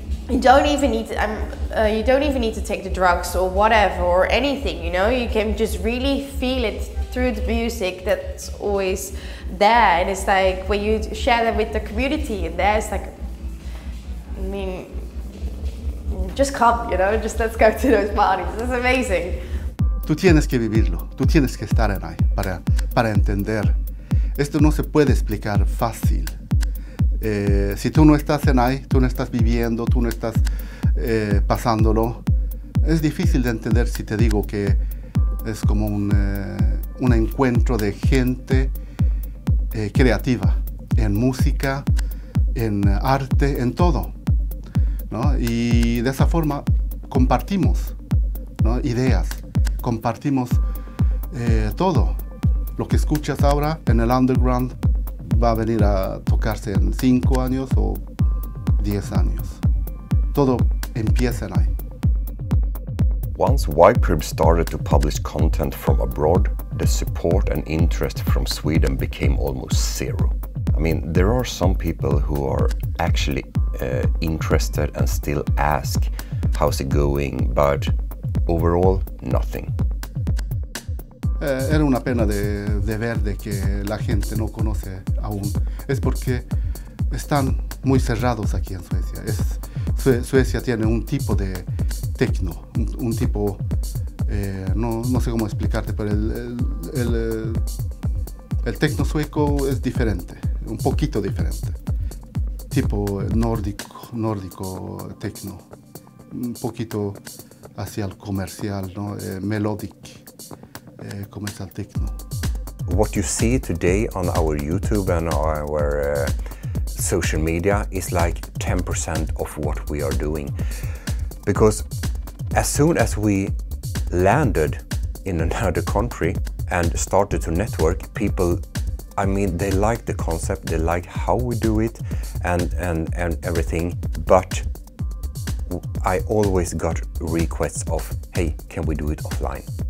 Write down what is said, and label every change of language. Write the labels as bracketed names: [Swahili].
[English] you don't even need to take the drugs or whatever or anything, you know, you can just really feel it through the music that's always there, and it's like when you share that with the community and there's like, I mean, just come, you know, just let's go to those parties, it's amazing. [Spanish] Tú tienes que vivirlo, tú tienes que estar en ahí para entender. Esto no se puede explicar fácil. Si tú no estás en ahí, tú no estás viviendo, tú no estás pasándolo, es difícil de entender si te digo que es como un encuentro de gente creativa en música, en arte, en todo, ¿no? Y de esa forma compartimos, ¿no? Ideas. Compartimos todo. Lo que escuchas ahora en el underground va a venir a tocarse en 5 años o 10 años. Todo empieza ahí. [English] Once YPRIB started to publish content from abroad, the support and interest from Sweden became almost zero. I mean, there are some people who are actually interested and still ask, how's it going, but overall, nothing. [Spanish] Era una pena de ver de que la gente no conoce aún. Es porque están muy cerrados aquí en Suecia. Suecia tiene un tipo de techno, un tipo, no sé cómo explicarte, pero el techno sueco es diferente, un poquito diferente. Tipo nórdico techno, un poquito hacia el comercial, ¿no? Melodic, comercial techno. [English] What you see today on our YouTube and our social media is like 10% of what we are doing. Because as soon as we landed in another country and started to network, people, I mean, they like the concept, they like how we do it and everything, but I always got requests of, hey, can we do it offline?